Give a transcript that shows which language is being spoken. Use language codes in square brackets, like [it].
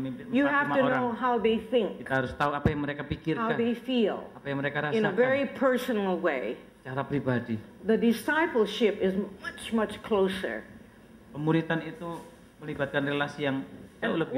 [en] You have to know how they think. [id] Kita harus tahu apa yang mereka pikirkan. [en] How they feel. [id] Apa yang mereka rasakan. [en] In a very personal way. [id] Cara pribadi. [en] The discipleship is much much closer. [id] Pemuritan itu melibatkan relasi yang jauh lebih.